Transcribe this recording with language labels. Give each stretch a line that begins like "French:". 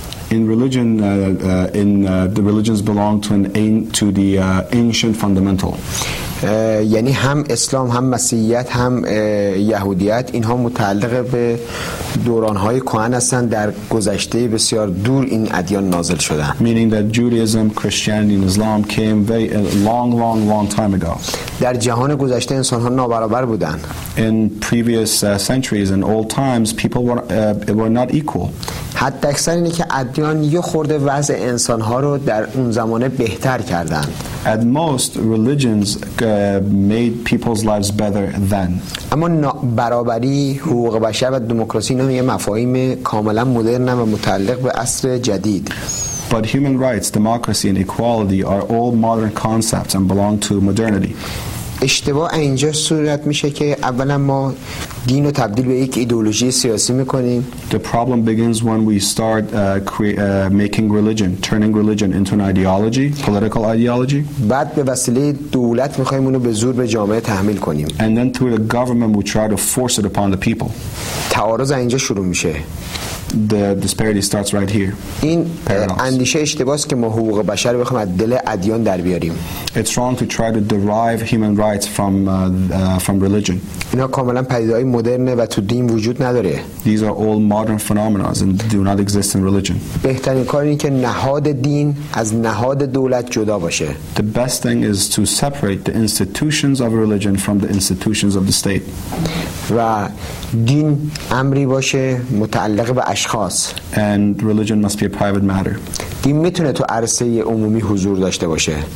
English: In religion, the religions belong to the ancient fundamental.
Persian: یعنی هم اسلام هم مسیحیت هم یهودیت اینها متعلق به دورانهای کهن هستند در گذشته بسیار دور این ادیان نازل شدند.
English: Meaning that Judaism, Christianity, and Islam came very long time ago.
Persian: در جهان گذشته انسانها نابرابر بودند.
English: In previous centuries and old times, people were not equal.
Persian: حتی اکثر اینه که ادیان یه خورده وضع انسانها رو در اون زمانه بهتر کردند.
English: At most, religions made people's lives better then.
Persian: اما برابری، حقوق بشر و دموکراسی اینا یه مفاهیم کاملا مدرن و متعلق به عصر جدید.
English: But human rights, democracy and equality are all modern concepts and belong to modernity.
Persian: اشتباه اینجا صورت میشه که اولا ما دین رو تبدیل به یک ایدئولوژی سیاسی میکنیم.
English: The problem begins when we start making religion, turning religion into an ideology, political ideology.
Persian: بعد به وسیله دولت میخوایم اونو به زور به جامعه تحمیل کنیم.
English: And then through the government we try to force it upon the people.
Persian: تعارض اینجا شروع میشه.
English: The disparity starts right here.
Persian: این اندیشه اشتباه است که ما حقوق بشر بخوایم از دل ادیان در بیاریم.
English: It's wrong to try to derive human rights from religion.
Persian: اینا کاملا پدیده‌های مدرنه و تو دین وجود نداره.
English: These are all modern phenomena and do not exist in religion.
Persian: بهترین کار اینه که نهاد دین از نهاد دولت جدا باشه.
English: The best thing is to separate the institutions of religion from the institutions of the state.
Persian: و دین امری باشه متعلق به اشخاص.
English: And religion must be a private matter.
Persian: دین میتونه تو عرصه عمومی حضور داشته باشه.